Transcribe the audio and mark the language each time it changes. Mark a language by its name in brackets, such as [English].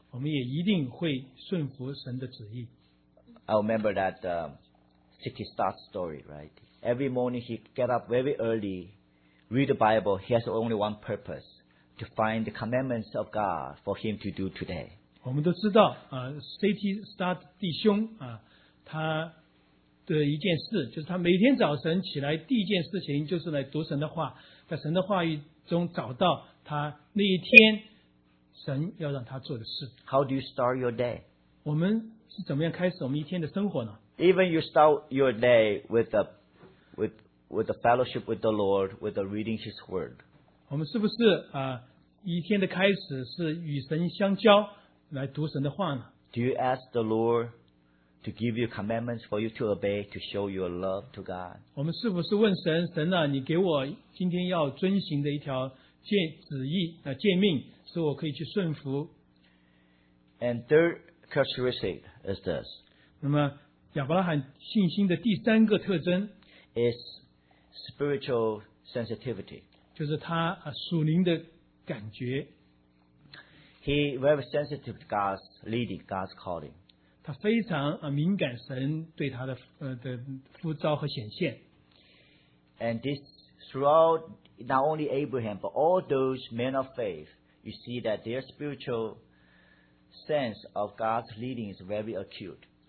[Chinese] 我们也一定会顺服神的旨意。 [English] I remember that Sticky Starts story, right? Every morning he get up very early, read the Bible. He has only one purpose: to find the commandments of God for him to do today. [Chinese] 我们都知道啊、，Sticky Start 弟兄啊、他的一件事就是他每天早晨起来第一件事情就是来读神的话，在神的话语中找到他那一天神要让他做的事。 [English] How do you start your day? [Chinese] 我们是怎么样开始我们一天的生活呢？ [English] Even you start your day with a fellowship with the Lord, with the reading His Word. [Chinese] 我们是不是啊、一天的开始是与神相交，来读神的话呢？ [English] Do you ask the Lord to give you commandments for you to obey, to show your love to God? [Chinese] 我们是不是问神，神啊，你给我今天要遵行的一条旨意啊、诫命，使我可以去顺服。 [English] And third characteristic is this. [Chinese] 那么亚伯拉罕信心的第三个特征 [English] is spiritual sensitivity. [Chinese] 就是他、啊、属灵的感觉。 [English] He very sensitive to God's leading, God's calling. [Chinese] 他非常、啊、敏感神对他的、的呼召和显现。 [English] And this throughout not only Abraham but all those men of faith, you see that their spiritual sense of God's leading is very acute.